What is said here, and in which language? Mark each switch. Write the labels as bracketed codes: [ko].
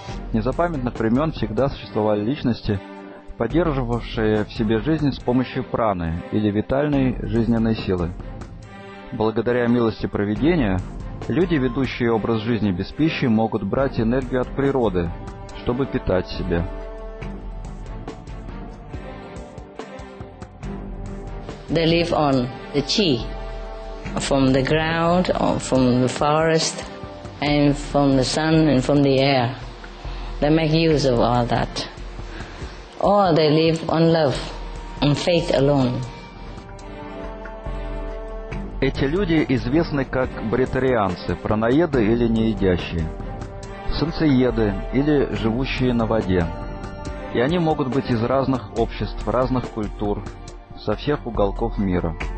[ru] С незапамятных времен всегда существовали личности, поддерживавшие в себе жизнь с помощью праны или витальной жизненной силы. Благодаря милости провидения, люди, ведущие образ жизни без пищи, могут брать энергию от природы, чтобы питать себя. [en] They live on the chi, from the ground, from the forest, and from the sun, and from the air. They make use of all that. Or they live on love, on faith alone. [ru] Эти люди известны как бретарианцы, праноеды или неедящие, солнцееды или живущие на воде. И они могут быть из разных обществ, разных культур, со всех уголков мира.